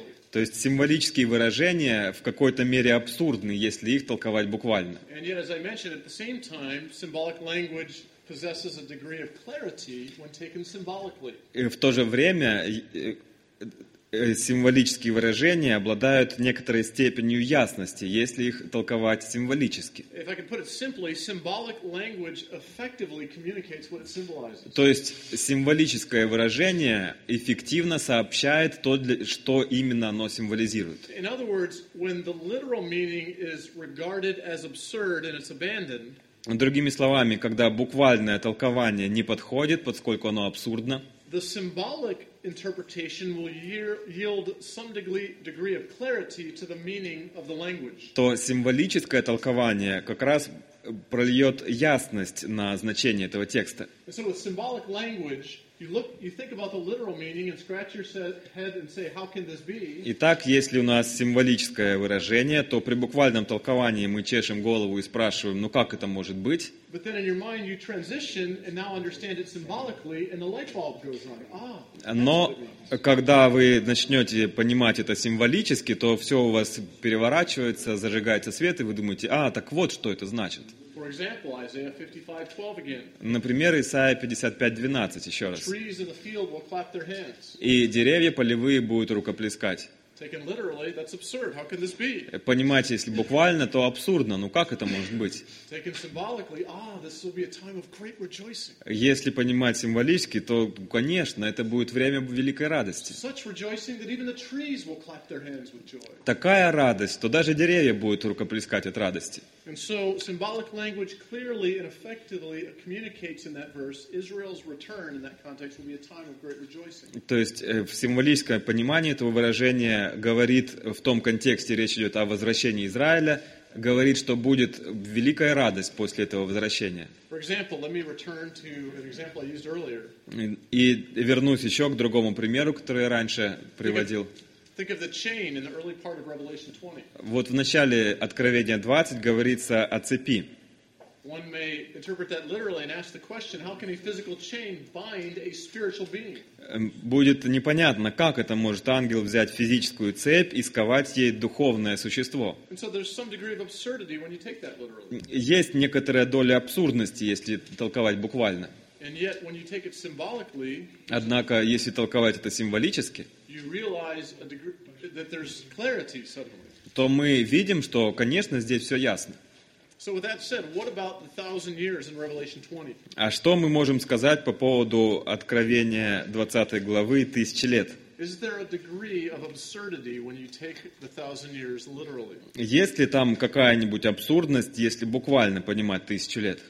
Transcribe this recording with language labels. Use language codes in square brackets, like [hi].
[ru] То есть символические выражения в какой-то мере абсурдны, если их толковать буквально. [en] And yet, as I mentioned, at the same time, symbolic language possesses a degree of clarity when taken symbolically. [ru] В то же время символические выражения обладают некоторой степенью ясности, если их толковать символически. [en] If I can put it simply, symbolic language effectively communicates what it symbolizes. [ru] То есть символическое выражение эффективно сообщает то, что именно оно символизирует. [en] In other words, when the literal meaning is regarded as absurd and it's abandoned. [ru] Другими словами, когда буквальное толкование не подходит, поскольку оно абсурдно. [en] The symbolic interpretation will yield some degree of clarity to the meaning of the language. [ru] То символическое толкование как раз прольет ясность на значение этого текста. [en] So with symbolic language, you think about the literal meaning and scratch your head and say, how can this be? [ru] Итак, если у нас символическое выражение, то при буквальном толковании мы чешем голову и спрашиваем, ну как это может быть? [en] But then in your mind you transition and now understand it symbolically, and the light bulb goes on. Ah. [ru] Но когда вы начнете понимать это символически, то все у вас переворачивается, зажигается свет, и вы думаете, а так вот что это значит. [en] For example, Isaiah 55:12 again. [ru] Например, Исаия 55:12 еще раз. [en] Trees in the field will clap their hands. [ru] И деревья полевые будут рукоплескать. [en] Taken literally, that's absurd. How can this be? [ru] Понимаете, если буквально, то абсурдно. Ну как это может быть? [en] Taken symbolically, this will be a time of great rejoicing. [ru] Если понимать символически, то, конечно, это будет время великой радости. [en] Such rejoicing that even the trees will clap their hands with joy. [ru] Такая радость, то даже деревья будут рукоплескать от радости. [en] And so symbolic language clearly and effectively communicates in that verse Israel's return in that context will be a time of great rejoicing. [ru] То есть в символическом понимании этого выражения говорит в том контексте, речь идет о возвращении Израиля, говорит, что будет великая радость после этого возвращения. [en] For example, let me return to an example I used earlier. [ru] И вернусь еще к другому примеру, который я раньше приводил. [en] Think of the chain in the early part of Revelation 20. [ru] Вот в начале Откровения 20 говорится о цепи. [en] One may interpret that literally and ask the question, how can a physical chain bind a spiritual being? [ru] Будет непонятно, как это может ангел взять физическую цепь и сковать ей духовное существо. [en] And so there's some degree of absurdity when you take that literally. [ru] Есть некоторая доля абсурдности, если толковать буквально. [en] And yet when you take it symbolically, [ru] однако, если толковать это символически, [en] you realize a degree that there's clarity suddenly. [ru] То мы видим, что, конечно, здесь все ясно. [en] So with that said, what about the 1,000 years in Revelation 20? [ru] А что мы можем сказать по поводу Откровения 20 главы 1000 лет? [en] Is there a degree of absurdity when you take the 1,000 years literally? [ru] Есть ли там какая-нибудь абсурдность, если буквально понимать 1,000 лет?